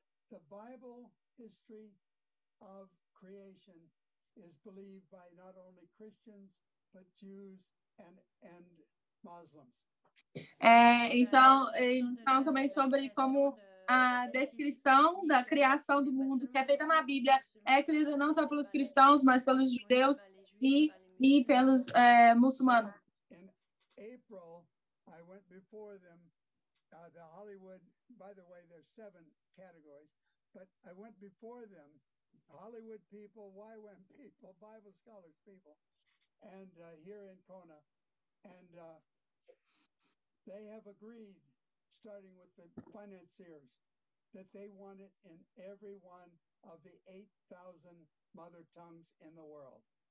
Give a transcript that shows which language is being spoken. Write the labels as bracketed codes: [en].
[en] The Bible history of creation is believed by not only Christians, but Jews and Muslims. [pt] Então, eles falam também sobre como a descrição da criação do mundo que é feita na Bíblia é criada não só pelos cristãos, mas pelos judeus e pelos muçulmanos. [en] In April, I went before them, the Hollywood, by the way, there's 7 categories, but I went before them, Hollywood people, YWAM people, Bible scholars people, and here in Kona, and they have agreed, starting with the financiers, that they want it in every one of the 8,000 mother tongues in the world.